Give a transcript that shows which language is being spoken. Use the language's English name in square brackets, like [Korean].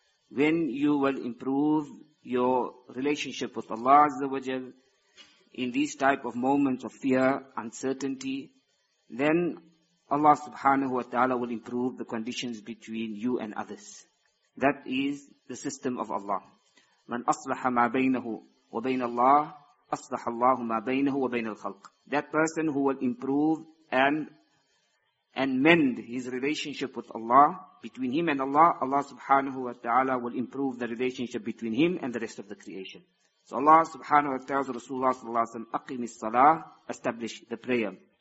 [English] When you will improve your relationship with Allah Azza wa Jal in these type of moments of fear, uncertainty, then Allah subhanahu wa ta'ala will improve the conditions between you and others. That is the system of Allah. [Arabic] من أصلح ما بينه وبين الله أصلح الله ما بينه وبين الخلق. [English] That person who will improve and mend his relationship with Allah, between him and Allah, Allah subhanahu wa ta'ala will improve the relationship between him and the rest of the creation. So Allah subhanahu wa ta'ala tells Rasulullah sallallahu alayhi wa sallam, [Arabic] أقم الصلاة, [English] establish the prayer.